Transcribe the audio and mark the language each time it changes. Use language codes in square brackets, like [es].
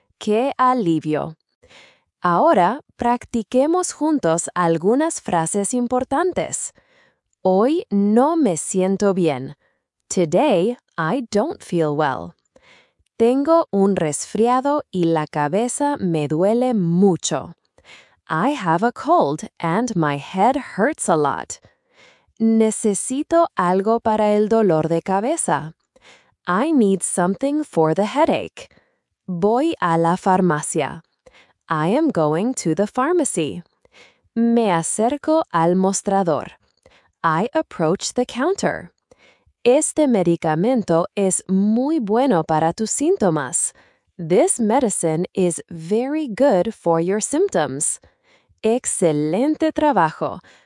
[es] ¡Qué alivio! Ahora, practiquemos juntos algunas frases importantes. Hoy no me siento bien. [en] Today, I don't feel well. [es] Tengo un resfriado y la cabeza me duele mucho. [en] I have a cold and my head hurts a lot. [es] Necesito algo para el dolor de cabeza. [en] I need something for the headache. [es] Voy a la farmacia. [en] I am going to the pharmacy. [es] Me acerco al mostrador. [en] I approach the counter. [es] Este medicamento es muy bueno para tus síntomas. [en] This medicine is very good for your symptoms. [es] Excelente trabajo.